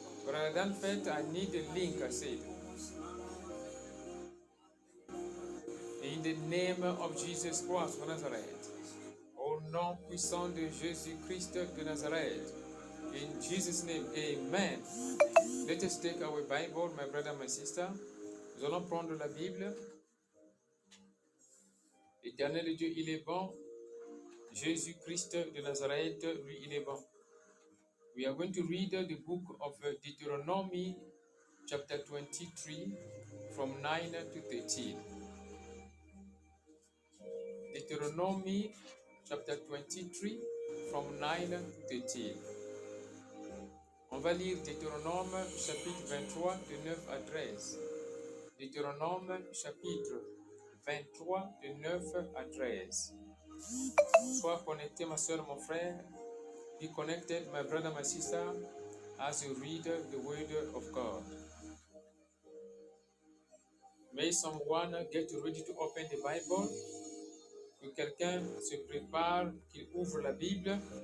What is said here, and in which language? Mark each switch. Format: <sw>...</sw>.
<en>Rather than faith, I need a link, I said. In the name of Jesus Christ of Nazareth.</en> <fr>Au nom puissant de Jésus-Christ de Nazareth.</fr> <en>In Jesus' name, amen. Let us take our Bible, my brother, my sister.</en> <fr>Nous allons prendre la Bible. Éternel Dieu, il est bon. Jésus-Christ de Nazareth, lui, il est bon.</fr> <en>We are going to read the book of Deuteronomy, chapter 23, from 9 to 13. Deuteronomy, chapter 23, from 9 to 13.</en> <fr>On va lire Deutéronome, chapitre 23, de 9 à 13. Deutéronome chapitre 23, de 9 à 13. Sois connecté, ma soeur, mon frère.</fr> <en>Be connected, my brother, my sister, as you read the word of God. May someone get ready to open the Bible.</en> <fr>Que quelqu'un se prépare, qu'il ouvre la Bible.</fr>